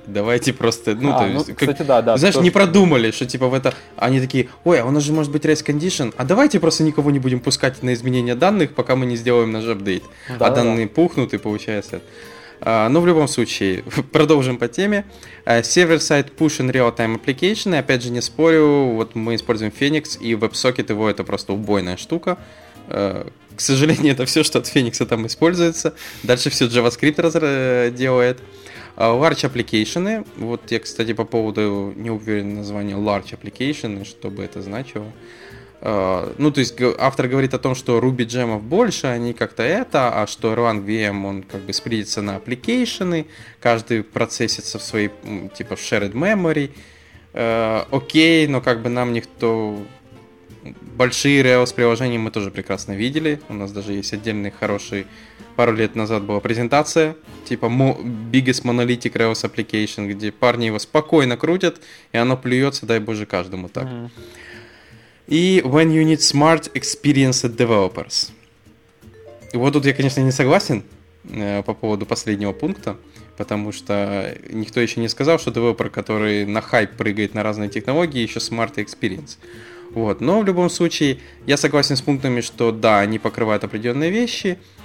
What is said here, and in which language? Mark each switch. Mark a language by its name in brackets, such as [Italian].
[Russian] Давайте просто... Ну, а, то ну, есть, кстати, как... да. Знаешь, не продумали, что, типа, в это... Они такие, ой, а у нас же может быть race condition, а давайте просто никого не будем пускать на изменение данных, пока мы не сделаем наш апдейт. Да, а данные пухнут, и получается... Ну, в любом случае, продолжим по теме. [English] Server-side push in real-time application. [Russian] И опять же, не спорю, вот мы используем Phoenix, и WebSocket его — это просто убойная штука. К сожалению, это все, что от Phoenix там используется. Дальше все JavaScript делает. [English] Large application. [Russian] Вот я, кстати, по поводу не уверен названия large application, что бы это значило. Ну, то есть, автор говорит о том, что Ruby джемов больше, они как-то это, а что Erlang VM, он как бы спридится на аппликейшены, каждый процессится в своей, типа, в shared memory. Окей, но как бы нам никто... Большие Rails-приложения мы тоже прекрасно видели. У нас даже есть отдельный хороший... Пару лет назад была презентация, типа, [English] biggest monolithic Rails application, [Russian] где парни его спокойно крутят, и оно плюется, дай боже, каждому так. [English] И when you need smart experienced developers. [Russian] Вот тут я, конечно, не согласен по поводу последнего пункта, потому что никто еще не сказал, что девелопер, который на хайп прыгает на разные технологии, еще [English] smart experience. [Russian] Вот. Но в любом случае, я согласен с пунктами, что да, они покрывают определенные вещи.